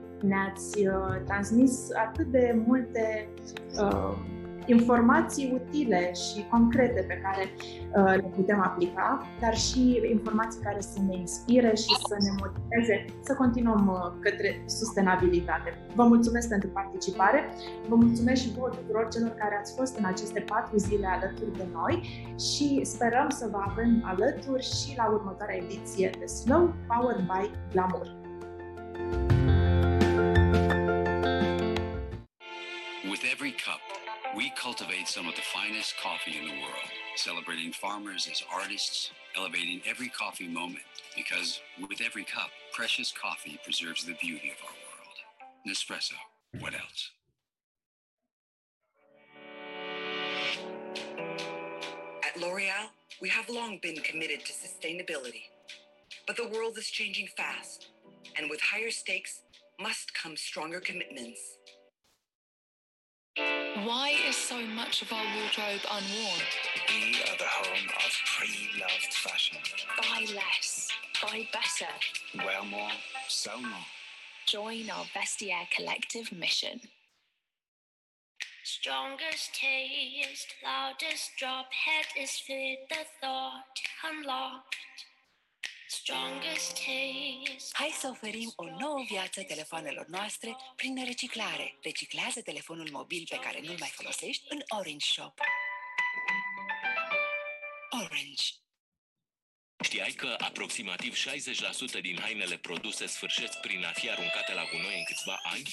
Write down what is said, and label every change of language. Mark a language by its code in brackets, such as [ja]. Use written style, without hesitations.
[ro] Ne-ați transmis atât de multe informații utile și concrete pe care le putem aplica, dar și informații care să ne inspire și să ne motiveze să continuăm către sustenabilitate. Vă mulțumesc pentru participare, vă mulțumesc și vouă tuturor celor care ați fost în aceste 4 zile alături de noi și sperăm să vă avem alături și la următoarea ediție de Slow Powered by Glamour. [en] With every cup, we cultivate some of the finest coffee in the world, celebrating farmers as artists, elevating every coffee moment, because with every cup, precious coffee preserves the beauty of our world. Nespresso, what else? At L'Oreal, we have long been committed to sustainability, but the world is changing fast, and with higher stakes must come stronger commitments. Why is so much of our wardrobe unworn? We are the home of pre-loved fashion. Buy less, buy better. Wear more, sell more. Join our Vestiaire collective mission. Strongest taste, loudest drop, head is fit, the thought unlocked. Strongest taste. [ro] Hai să oferim o nouă viață telefoanelor noastre prin reciclare. Reciclează telefonul mobil pe care nu-l mai folosești în Orange Shop. Orange. Știai că aproximativ 60% din hainele produse sfârșesc prin a fi aruncate la gunoi în câțiva ani?